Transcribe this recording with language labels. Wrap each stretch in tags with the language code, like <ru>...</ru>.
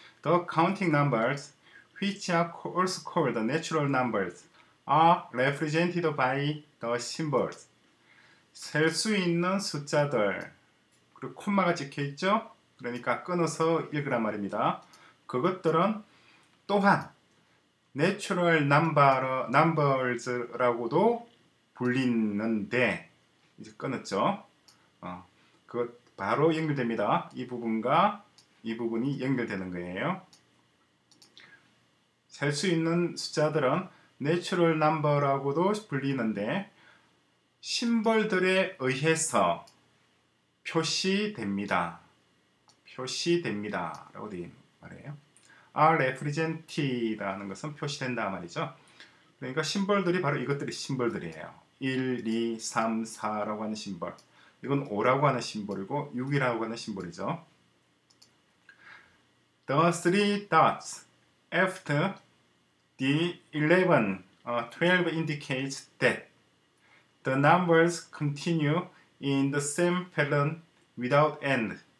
<en>The counting numbers, which are also called natural numbers, are represented by the symbols.</en> <ko>셀 수 있는 숫자들 그리고 콤마가 찍혀 있죠. 그러니까 끊어서 읽으란 말입니다. 그것들은 또한 natural numbers라고도 불리는데 이제 끊었죠. 그것 바로 연결됩니다. 이 부분과 이 부분이 연결되는 거예요. 셀 수 있는 숫자들은 natural number라고도 불리는데 심벌들에 의해서 표시됩니다. 표시됩니다. 라고 말해요.</ko> <en>are represented</en> <ko>라는 것은 표시된다 말이죠. 그러니까 심벌들이 바로 이것들이 심벌들이에요. 1, 2, 3, 4 라고 하는 심벌. 이건 5라고 하는 심벌이고 6이라고 하는 심벌이죠.</ko> <en>The three dots after the 11, 12 indicates that the numbers continue in the same pattern without end.</en>